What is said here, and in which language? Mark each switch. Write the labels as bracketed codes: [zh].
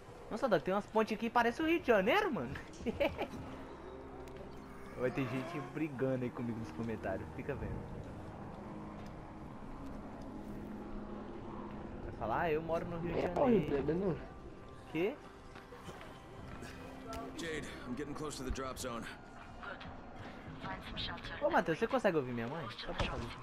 [pt] Nossa, Doc, tem umas pontes aqui que parece o Rio de Janeiro, mano. Vai ter gente brigando aí comigo nos comentários, fica vendo. Vai falar, ah, eu moro no Rio de Janeiro. Que? [en] Jade, I'm getting close to the drop zone. [pt] Ô Matheus, você consegue ouvir minha mãe? Só pra falar.